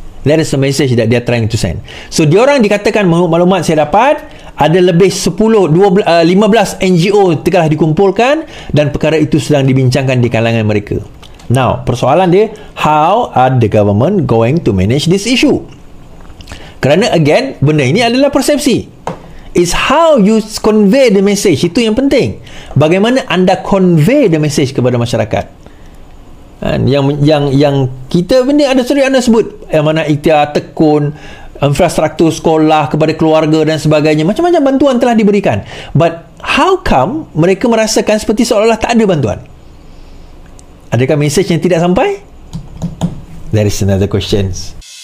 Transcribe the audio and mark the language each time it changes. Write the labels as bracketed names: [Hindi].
[English] That is the message that they are trying to send. [Malay] So diorang dikatakan, menurut maklumat saya dapat, ada lebih 15 NGO telah dikumpulkan dan perkara itu sedang dibincangkan di kalangan mereka. [English] Now [Malay] persoalan dia, [English] how are the government going to manage this issue? [Malay] Kerana [English] again, [Malay] benda ini adalah persepsi. [English] Is how you convey the message, [Malay] itu yang penting. Bagaimana anda [English] convey the message [Malay] kepada masyarakat. Yang kita benda ada sorry anda sebut, yang mana ikhtiar tekun infrastruktur sekolah kepada keluarga dan sebagainya, macam-macam bantuan telah diberikan. [English] But how come [Malay] mereka merasakan seperti seolah-olah tak ada bantuan? Adakah message yang tidak sampai? [English] There is another questions.